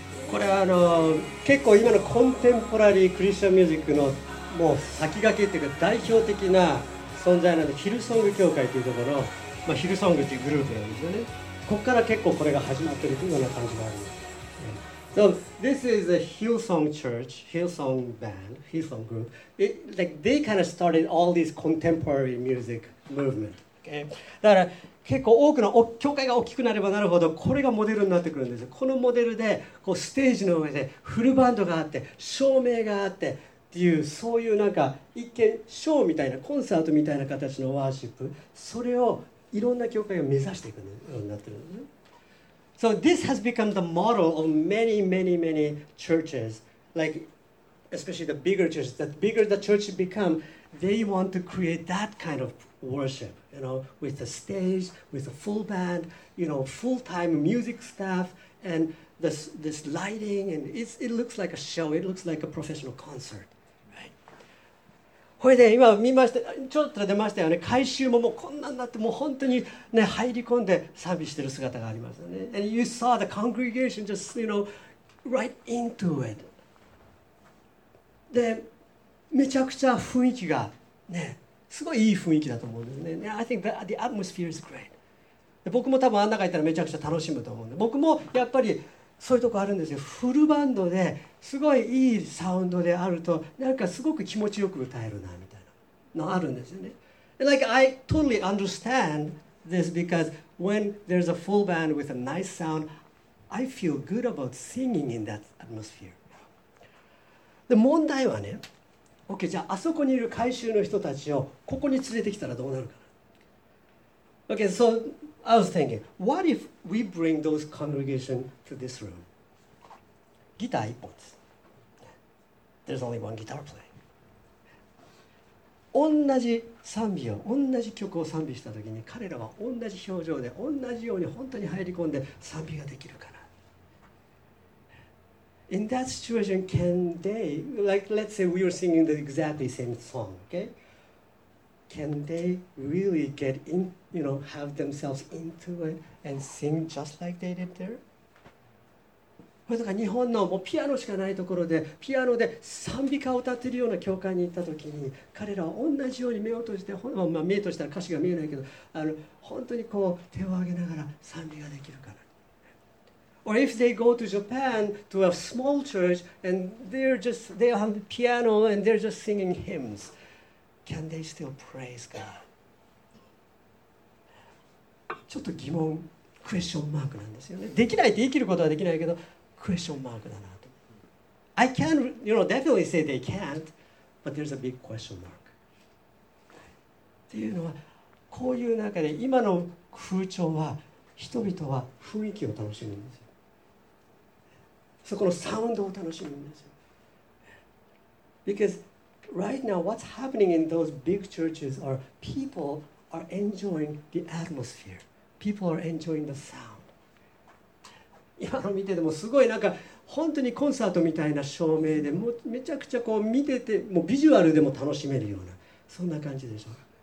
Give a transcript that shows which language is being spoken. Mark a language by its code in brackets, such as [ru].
[ja] これは結構今のコンテンポラリークリスチャンミュージックのもう先駆けというか代表的な存在なんで、ヒルソング教会というところ、まあ、ヒルソングというグループなんですよね。ここから結構これが始まっているというような感じがあります。 [en] So, this is a Hillsong church, Hillsong band, Hillsong group. They kind of started all this contemporary music movement.、Okay? [ja] だから結構多くの教会が大きくなればなるほどこれがモデルになってくるんですよ。このモデルでこうステージの上でフルバンドがあって照明があってっていう、そういうなんか一見ショーみたいなコンサートみたいな形のワーシップ、それをいろんな教会が目指していくようになってるんですね。 [en] So this has become the model of many many many churches, like especially the bigger churches. The bigger the church become, they want to create that kind ofworship, you know, with the stage, with a full band, you know, full-time music staff, and this lighting, and it looks like a show. It looks like a professional concert, right? [ja] これで今見ました、ちょっと出ましたよね。回収ももうこんなになって、もう本当にね、入り込んで賛美してる姿がありますよね。 [en] And you saw the congregation just, you know, right into it. [ja] で、めちゃくちゃ雰囲気がね、すごいいい雰囲気だと思うんですね。 [en] Yeah, I think that the atmosphere is great. [ja] で、僕も多分あん中行ったらめちゃくちゃ楽しむと思うんで、僕もやっぱりそういうとこあるんですよ。フルバンドですごいいいサウンドであると、なんかすごく気持ちよく歌えるなみたいなのあるんですよね。 [en] And like I totally understand this, because when there's a full band with a nice sound, I feel good about singing in that atmosphere. [ja] で、問題はね、OK、 じゃああそこにいる回収の人たちをここに連れてきたらどうなるかな。 [en] OK、 so I was thinking, what if we bring those congregation to this room? [ja] ギター一本です。 [en] There's only one guitar playing. [ja] 同じ賛美を、同じ曲を賛美したときに、彼らは同じ表情で同じように本当に入り込んで賛美ができるかな。 [en] In that situation, can they, like, let's say we are singing the exactly same song, okay? Can they really get in, you know, have themselves into it and sing just like they did there? [ja] これとか日本のもうピアノしかないところで、ピアノで賛美歌を歌ってるような教会に行ったときに、彼らは同じように目を閉じて、まあ、目閉じたら歌詞が見えないけど、本当にこう手を挙げながら賛美ができるかな。 [en] Or if they go to Japan to a small church and they have the piano and they're just singing hymns, can they still praise God? [ja] ちょっと疑問、クエスチョンマークなんですよね。できないって言い切ることはできないけど、クエスチョンマークだなと。 [en] I can, you know, definitely say they can't, but there's a big question mark. [ja] っていうのは、こういう中で今の風潮は、人々は雰囲気を楽しむんですよ。そこのサウンドを楽しむんですよ。 [en] Because right now what's happening in those big churches are people are enjoying the atmosphere. People are enjoying the sound. [ja] 今の見ててもすごいなんか本当にコンサートみたいな照明で、もうめちゃくちゃこう見てて、もうビジュアルでも楽しめるようなそんな感じでしょうか。